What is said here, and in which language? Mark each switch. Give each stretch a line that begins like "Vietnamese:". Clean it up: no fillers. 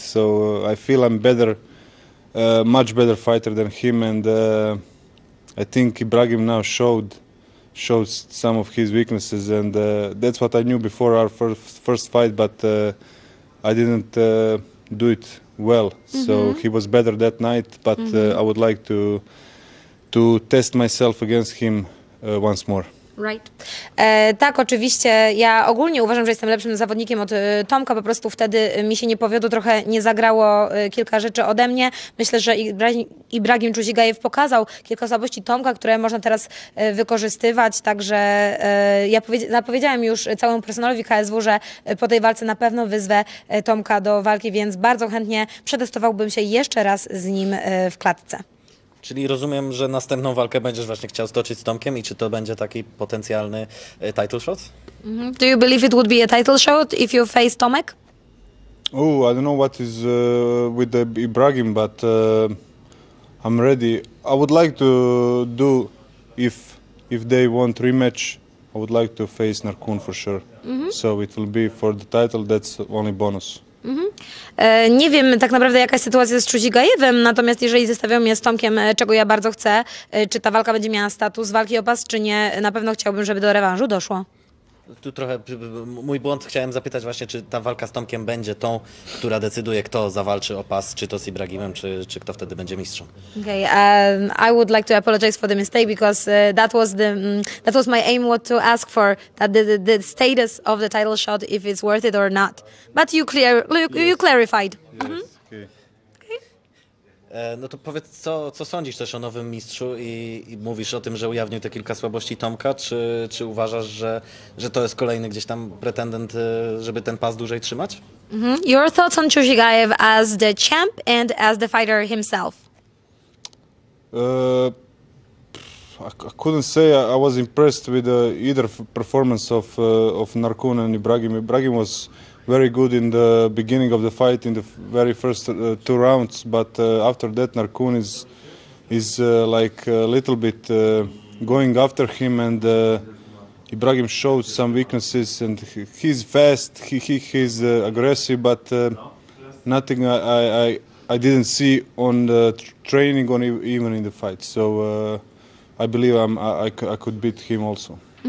English: So I feel I'm better, much better fighter than him, and I think Ibrahim now shows some of his weaknesses, and that's what I knew before our first fight, but I didn't do it well. Mm-hmm. So he was better that night, but I would like to test myself against him once more.
Polish: Right. Tak, oczywiście. Ja ogólnie uważam, że jestem lepszym zawodnikiem od Tomka. Po prostu wtedy mi się nie powiodło, trochę nie zagrało kilka rzeczy ode mnie. Myślę, że Ibrahim Chuzigajew pokazał kilka słabości Tomka, które można teraz wykorzystywać. Także ja zapowiedziałem już całemu personelowi KSW, że po tej walce na pewno wyzwę Tomka do walki, więc bardzo chętnie przetestowałbym się jeszcze raz z nim w klatce. Czyli rozumiem, że następną walkę będziesz właśnie chciał stoczyć z Tomkiem i czy to będzie taki potencjalny title shot? Mm-hmm.
English: Do you believe it would be a title shot if you face Tomek? Oh, I don't know what is with the Ibrahim, but I'm ready. I would like to do, if they want rematch, I would like to face Narkun for sure. Mm-hmm. So it will be for the title, that's only bonus.
Polish: Nie wiem tak naprawdę, jaka jest sytuacja z Chuzigajewem, natomiast jeżeli zestawią mnie z Tomkiem, czego ja bardzo chcę, czy ta walka będzie miała status walki o pas, czy nie, na pewno chciałbym, żeby do rewanżu doszło. Tu trochę mój błąd, chciałem zapytać właśnie, czy ta walka z Tomkiem będzie tą, która decyduje, kto zawalczy o pas, czy to z Ibrahimem, czy kto wtedy będzie mistrzem.
English: Okay, I would like to apologize for the mistake, because that was my aim, what to ask for, that the status of the title shot, if it's worth it or not. But you clarified. Yes. Mm-hmm.
Polish: No to powiedz, co sądzisz też o nowym mistrzu i mówisz o tym, że ujawnił te kilka słabości Tomka, czy uważasz, że to jest kolejny gdzieś tam pretendent, żeby ten pas dłużej trzymać? Mm-hmm.
English: Your thoughts on Chuzigajew as the champ and as the fighter himself? I couldn't say I was impressed with either performance of Narkun and Ibrahim. Ibrahim was very good in the beginning of the fight, in the very first two rounds, but after that Narkun is like a little bit going after him, and Ibrahim showed some weaknesses, and he's fast, he's aggressive, but nothing I didn't see on the training or even in the fight, so I believe I could beat him also.